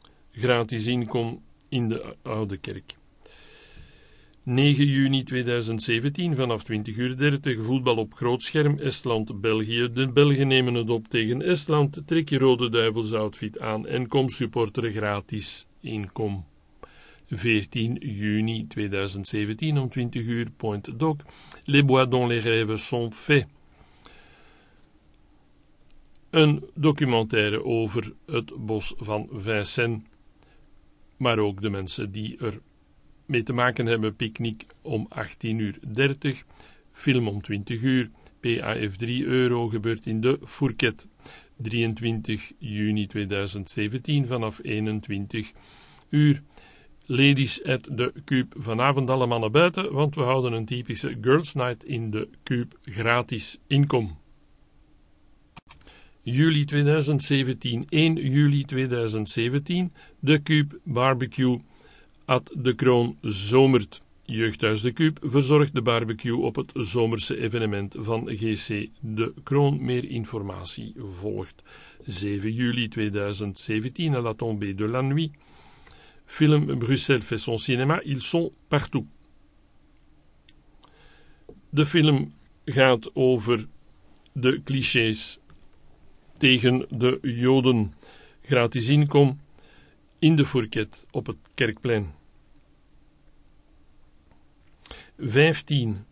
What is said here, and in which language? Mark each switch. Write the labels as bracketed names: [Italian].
[Dutch] Gratis inkom in de Oude Kerk. 9 juni 2017, vanaf 20 uur 30, voetbal op grootscherm, Estland-België. De Belgen nemen het op tegen Estland, trek je rode duivels outfit aan en kom supporteren gratis inkom. 14 juni 2017, om 20 uur, Point Doc, Les Bois dont les rêves sont faits. Een documentaire over het bos van Vincennes, maar ook de mensen die er mee te maken hebben, picknick om 18.30 uur, film om 20 uur, PAF 3 euro, gebeurt in de Fourquet. 23 juni 2017, vanaf 21 uur. Ladies at the Cube, vanavond alle mannen buiten, want we houden een typische girls' night in de Cube, gratis inkom. Juli 2017, 1 juli 2017, de Cube Barbecue. At de Kroon Zomert, Jeugdhuis De Kuub, verzorgt de barbecue op het zomerse evenement van GC De Kroon. Meer informatie volgt. [French] 7 juli 2017, à la tombée de la nuit. Film Bruxelles fait son cinéma, ils sont partout. [Dutch] De film gaat over de clichés tegen de Joden. Gratis inkom in de Fourquet op het Kerkplein. 15